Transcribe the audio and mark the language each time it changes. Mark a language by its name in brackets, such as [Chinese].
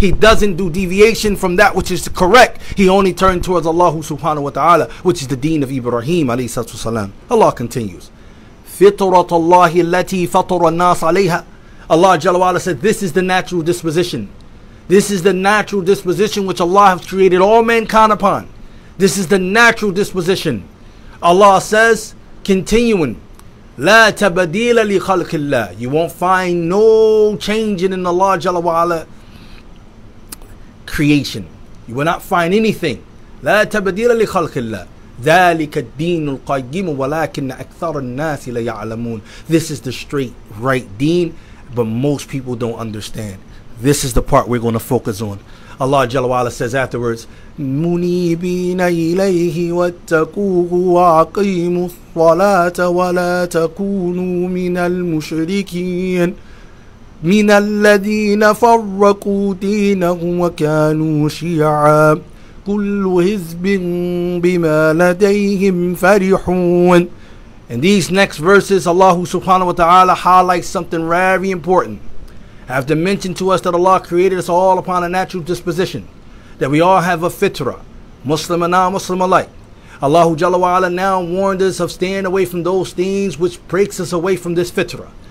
[English] He doesn't do deviation from that which is correct. He only turns towards Allah subhanahu wa ta'ala, which is the deen of Ibrahim alayhi salatu wasalam. Allah continues. [Arabic] Fitratullahi allati fatara an-nas alayha. [English] Allah Jalla wa Ala said, this is the natural disposition. This is the natural disposition which Allah has created all mankind upon. This is the natural disposition. Allah says, continuing, [Arabic] لا تبديل لخلق الله. [English] You won't find no changing in Allah Jalla wa Ala creation. You will not find anything. [Arabic] لا تبديل لخلق الله. ذلك الدين القيم ولكن أكثر الناس لا يعلمون. [English] This is the straight, right deen, but most people don't understand. This is the part we're going to focus on. Allah Jalla wa Ala says afterwards, [Arabic] مُنِيبِينَ إِلَيْهِ وَاتَّقُوهُ وَعَقِيمُ الصَّلَاةَ وَلَا تَكُونُوا مِنَ الْمُشْرِكِينَ مِنَ الَّذِينَ فَرَّقُوا دِينَهُمْ وَكَانُوا شِيَعًا كُلُّ حِزْبٍ بِمَا لَدَيْهِمْ فَرِحُونَ. [English] In these next verses, Allah subhanahu wa ta'ala highlights something very important. After mentioning to us that Allah created us all upon a natural disposition, that we all have a fitrah, Muslim and non-Muslim alike. Allahu Jalla wa Ala now warned us of staying away from those things which breaks us away from this fitrah.